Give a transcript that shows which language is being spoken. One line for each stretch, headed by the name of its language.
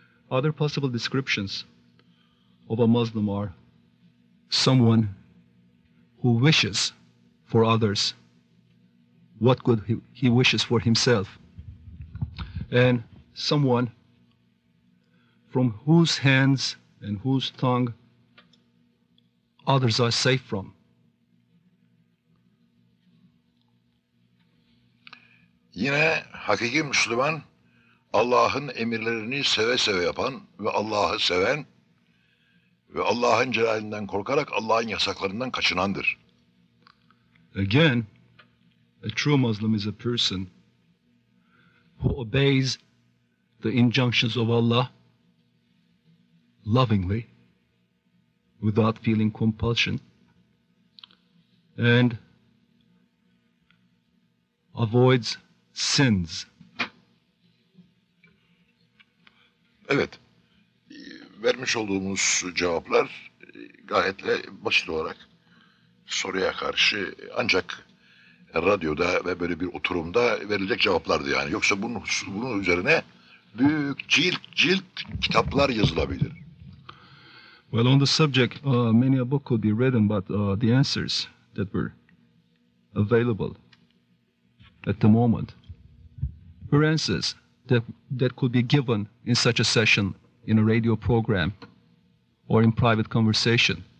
English: Other possible descriptions of a Muslim are someone who wishes for others what good he wishes for himself, and someone from whose hands and whose tongue others are safe from.
Turkish: Yine hakiki Müslüman, Allah'ın emirlerini seve seve yapan ve Allah'ı seven ve Allah'ın celalinden korkarak Allah'ın yasaklarından kaçınandır.
English: Again, a true Muslim is a person who obeys the injunctions of Allah lovingly, without feeling compulsion, and avoids sins.
Turkish: Evet, vermiş olduğumuz cevaplar gayet basit olarak soruya karşı, ancak radyoda ve böyle bir oturumda verilecek cevaplardı yani. Yoksa bunun üzerine büyük cilt cilt kitaplar yazılabilir.
English: Well, on the subject, many a book could be written, but the answers that were available at the moment were answers that could be given in such a session, in a radio program, or in private conversation.